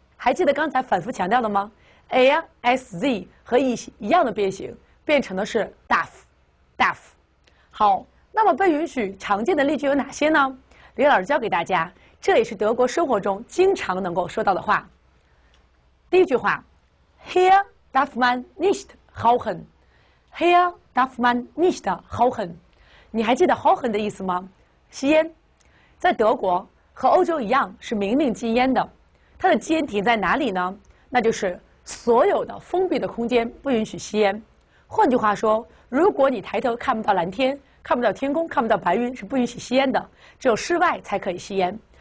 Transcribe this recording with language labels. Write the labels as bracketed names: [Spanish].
[Chinese] 还记得刚才反复强调的吗？ [German] Er, es, sie [Chinese] 和 ich 一样的变形，变成的是 darf, darf。好，那么被允许常见的例句有哪些呢？李老师教给大家，这也是德国生活中经常能够说到的话。第一句话， [German] Hier darf man nicht rauchen。 Hier darf man nicht rauchen。 [Chinese] 你还记得 rauchen 的意思吗？吸烟。在德国。和欧洲一样是明令禁烟的，它的禁烟点在哪里呢？那就是所有的封闭的空间不允许吸烟。换句话说，如果你抬头看不到蓝天，看不到天空，看不到白云，是不允许吸烟的，只有室外才可以吸烟。